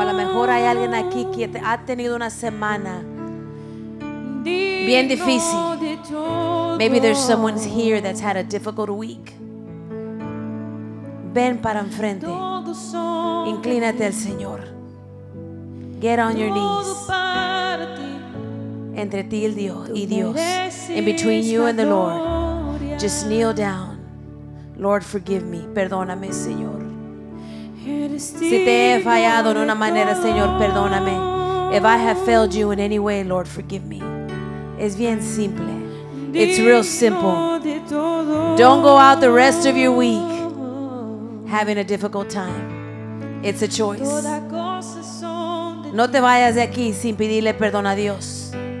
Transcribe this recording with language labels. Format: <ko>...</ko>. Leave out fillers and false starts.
<es>A lo mejor hay alguien aquí que ha tenido una semana bien difícil.</es> <en>Maybe there's someone here that's had a difficult week.</en> <es>Ven para enfrente. Inclínate al Señor.</es> <en>Get on your knees.</en> <es>Entre ti y Dios.</es> <en>In between you and the Lord. Just kneel down. Lord, forgive me.</en> <es>Perdóname, Señor. Si te he fallado en una manera, Señor, perdóname.</es> <en>If I have failed you in any way, Lord, forgive me.</en> <es>Es bien simple.</es> <en>It's real simple. Don't go out the rest of your week having a difficult time. It's a choice.</en> <es>No te vayas de aquí sin pedirle perdón a Dios.</es>